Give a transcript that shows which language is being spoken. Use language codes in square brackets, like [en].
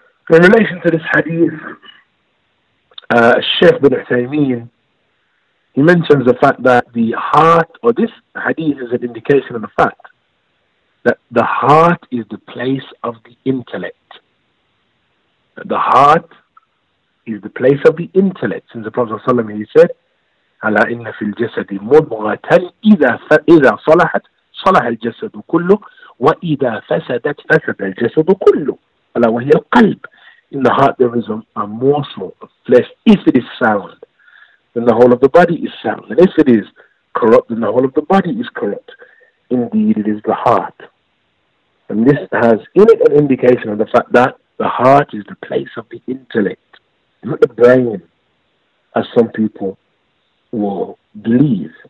[en] In relation to this hadith, Sheikh bin Uthaymeen, he mentions the fact that the heart, or this hadith is an indication of the fact that the heart is the place of the intellect. The heart is the place of the intellect. Since the Prophet ﷺ, he said, [ar] أَلَا إِنَّ فِي الْجَسَدِ مُضْغَةً إِذَا صَلَحَتْ صَلَحَ الْجَسَدُ كُلُّهُ وَإِذَا فَسَدَتْ فَسَدَ الْجَسَدُ كُلُّهُ أَلَا وَهِيَ الْقَلْبُ. [en] In the heart there is a morsel of flesh. If it is sound, then the whole of the body is sound. And if it is corrupt, then the whole of the body is corrupt. Indeed, it is the heart. And this has in it an indication of the fact that the heart is the place of the intellect, not the brain, as some people will believe.